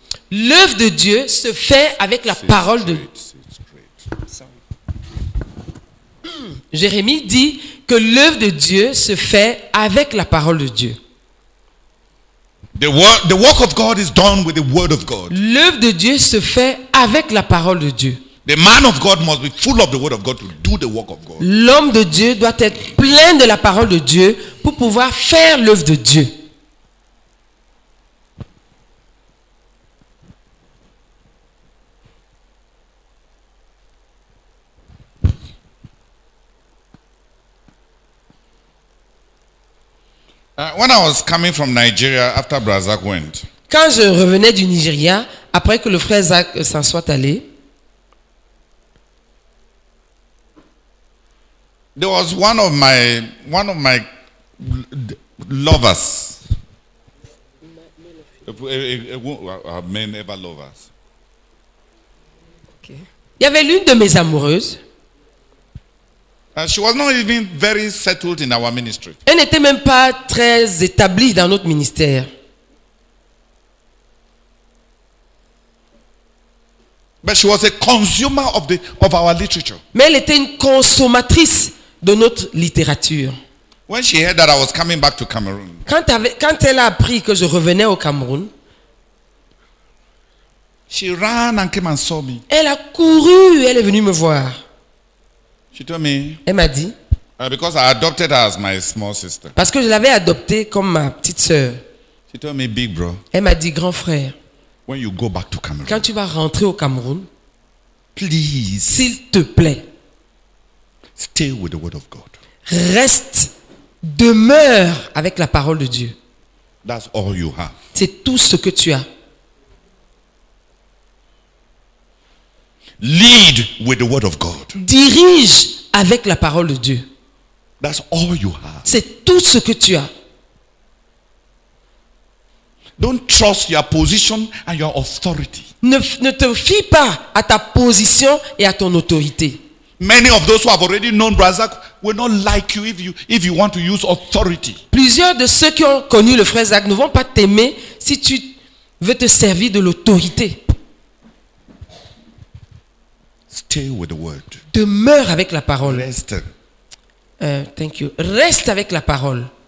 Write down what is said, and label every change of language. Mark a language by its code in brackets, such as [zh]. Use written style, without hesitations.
[fr] L'œuvre de Dieu se fait avec la parole de Dieu. Jérémie dit que l'œuvre de Dieu se fait avec la parole de Dieu. [en] The work of God is done with the word of God. [fr] L'œuvre de Dieu se fait avec la parole de Dieu. [en] The man of God must be full of the word of God to do the work of God. [fr] L'homme de Dieu doit être plein de la parole de Dieu pour pouvoir faire l'œuvre de Dieu. [en] When I was coming from Nigeria after Brother Zach went. [fr] Quand je revenais du Nigeria après que le frère Zach s'en soit allé. [en] There was one of my lovers. A man ever lovers. [fr] Okay. Il y avait l'une de mes amoureuses. [en] She was not even very settled in our ministry. [fr] Elle n'était même pas très établie dans notre ministère. [en] But she was a consumer of our literature. [fr] Mais elle était une consommatrice de notre littérature. [en] When she heard that I was coming back to Cameroon, [fr] quand elle a appris que je revenais au Cameroun, [en] she ran and came and saw me. [fr] Elle a couru, elle est venue me voir. [en] She told me, [fr] elle m'a dit, [en] because I adopted her as my small sister. [fr] Parce que je l'avais adoptée comme ma petite sœur. [en] She told me, big bro. [fr] Elle m'a dit, grand frère, [en] when you go back to Cameroon, [fr] quand tu vas rentrer au Cameroun, [en] please, [fr] s'il te plaît, [en] stay with the word of God. [fr] Reste, demeure avec la parole de Dieu. [en] That's all you have. [fr] C'est tout ce que tu as. [en] Lead with the word of God. [fr] Dirige avec la parole de Dieu. [en] That's all you have. [fr] C'est tout ce que tu as. [en] Don't trust your position and your authority. [fr] Ne te fie pas à ta position et à ton autorité. [en] Many of those who have already known Brazak will not like you if you want to use authority. [fr] Plusieurs de ceux qui ont connu le frère Zach ne vont pas t'aimer si tu veux te servir de l'autorité. [en] Stay with the word. [fr] Demeure avec la parole. Reste. [en] Thank you. [fr] Reste avec la parole.